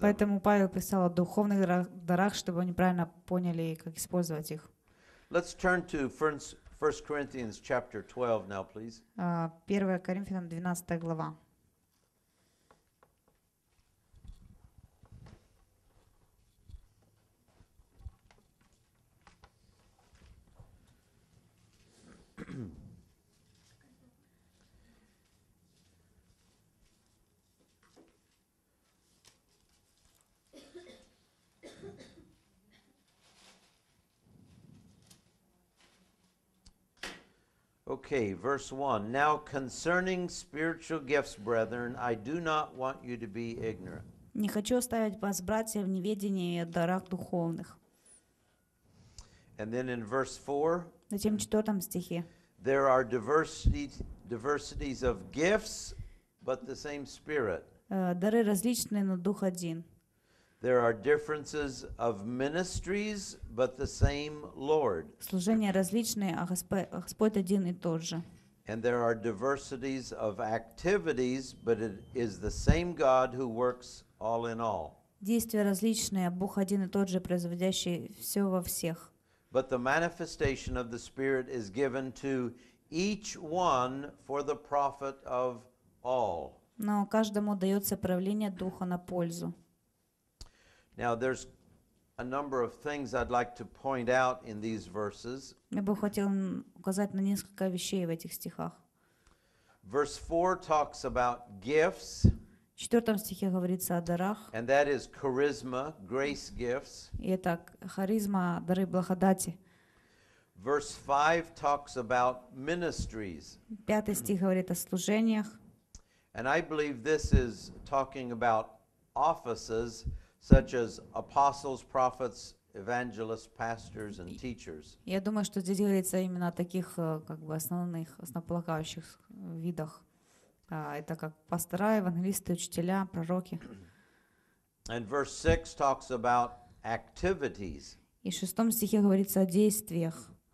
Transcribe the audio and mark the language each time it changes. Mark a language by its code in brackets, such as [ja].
[ru] Поэтому Павел писал о духовных дарах, чтобы они правильно поняли, как использовать их. [en] Let's turn to 1 Corinthians chapter 12 now, please. [ru] 1 Коринфянам 12 глава. [en] Okay, verse 1. Now concerning spiritual gifts, brethren, I do not want you to be ignorant. [ru] Не хочу оставить вас, братья, в неведении о дарах духовных. [en] And then in verse 4. [ru] Затем в 4 стихе. [en] There are diversities of gifts, but the same Spirit. [ru] Дары различны, но Дух один. [en] There are differences of ministries, but the same Lord. [ru] Служения различные, а Господь один и тот же. [en] And there are diversities of activities, but it is the same God who works all in all. [ru] Действия различные, а Бог один и тот же, производящий все во всех. [en] But the manifestation of the Spirit is given to each one for the profit of all. [ru] Но каждому дается проявление Духа на пользу. [en] Now there's a number of things I'd like to point out in these verses. [ru] Я бы хотел указать на несколько вещей в этих стихах. [en] Verse 4 talks about gifts. [ru] В 4 стихе говорится о дарах. [en] And that is charisma, grace gifts. [ru] И это харизма, дары благодати. [en] Verse 5 talks about ministries. [ru] 5 стих говорит о служениях. [en] And I believe this is talking about offices, such as apostles, prophets, evangelists, pastors, and teachers. [ru] Я думаю, что здесь говорится именно о таких как бы основных, основополагающих видах. Это как пастора, евангелисты, учителя, пророки. [en] And verse 6 talks about activities. [ru] И в 6 стихе говорится о действиях.